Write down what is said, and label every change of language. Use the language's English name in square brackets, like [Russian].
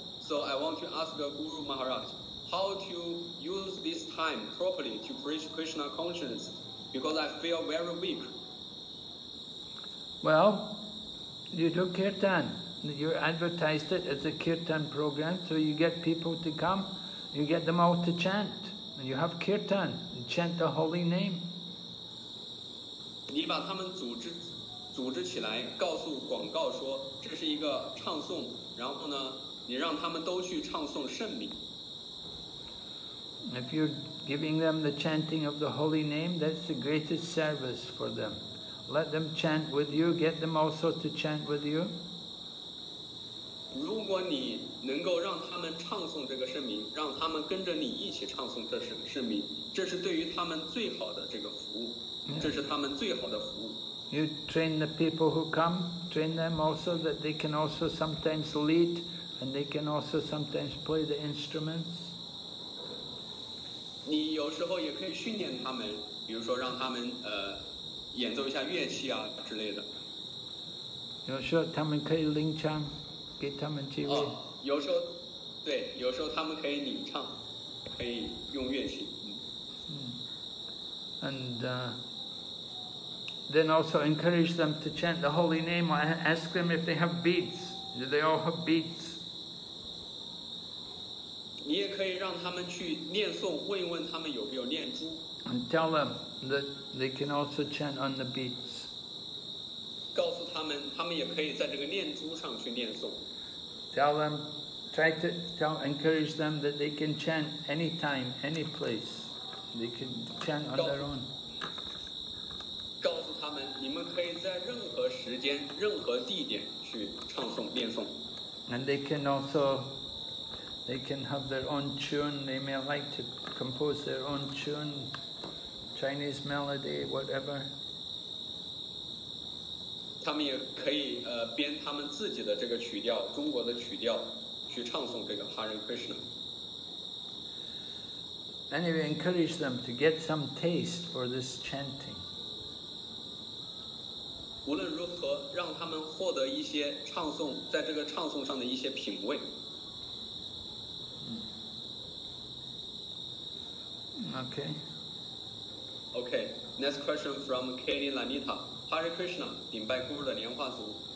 [English] So I want to ask Guru Maharaj, how to use this time properly to preach Krishna consciousness, because I feel very weak. Well, you do kirtan. You advertised it as a kirtan program, so you get people to come, you get them all to chant. And you have kirtan, you chant the holy name. [Chinese] 你把他们组织起来，告诉广告说这是一个唱诵，然后呢，你让他们都去唱诵圣名。 [English] If you're giving them the chanting of the holy name, that's the greatest service for them. Let them chant with you, get them also to chant with you. [Chinese] 如果你能够让他们唱诵这个圣名，让他们跟着你一起唱诵这是圣名，这是对于他们最好的这个服务。 [English] Yeah. [Chinese] 这是他们最好的服务。 [English] You train the people who come, train them also that they can also sometimes lead, and they can also sometimes play the instruments. [Chinese] 你有时候也可以训练他们，比如说让他们演奏一下乐器啊之类的。有时候他们可以领唱，给他们机会。有时候，对，有时候他们可以领唱，可以用乐器。 [English] And then also encourage them to chant the holy name. I ask them if they have beads. Do they all have beads? [Chinese] 你也可以让他们去念诵，问一问他们有没有念珠。 [English] And tell them that they can also chant on the beads. [Chinese] 告诉他们，他们也可以在这个念珠上去念诵。 [English] Tell them, try to tell, encourage them that they can chant any time, any place. They can chant on their own. [Chinese] 告诉他们，你们可以在任何时间、任何地点去唱诵、念诵。 [English] And they can also, they can have their own tune. They may like to compose their own tune, Chinese melody, whatever. [Chinese] 他们也可以编他们自己的这个曲调，中国的曲调，去唱诵这个 Hare Krishna。 [English] anyway, encourage them to get some taste for this chanting. [Chinese] 无论如何，让他们获得一些唱诵，在这个唱诵上的一些品味。 [English] Okay. Okay. Next question from Kelly Lanita. Hare Krishna, [Chinese] 顶拜孤儿的莲花族。